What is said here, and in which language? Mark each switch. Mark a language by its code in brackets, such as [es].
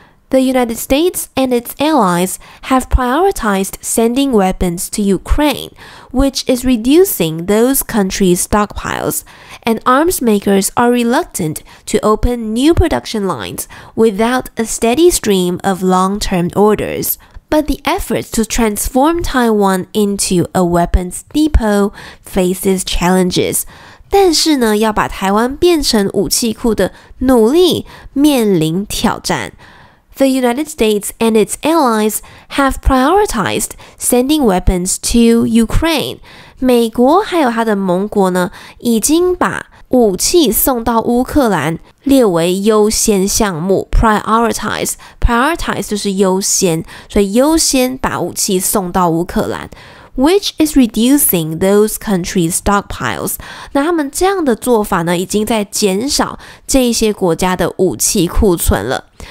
[en] The United States and its allies have prioritized sending weapons to Ukraine, which is reducing those countries' stockpiles, and arms makers are reluctant to open new production lines without a steady stream of long-term orders. But the efforts to transform Taiwan into a weapons depot faces challenges. [zh] 但是呢，要把台湾变成武器库的努力面临挑战。 [en] The United States and its allies have prioritized sending weapons to Ukraine. [zh] 美国还有他的盟国呢，已经把武器送到乌克兰列为优先项目 prioritize 就是优先，所以优先把武器送到乌克兰， [en] which is reducing those countries' stockpiles， [zh] 那他们这样的做法呢已经在减少这些国家的武器库存了。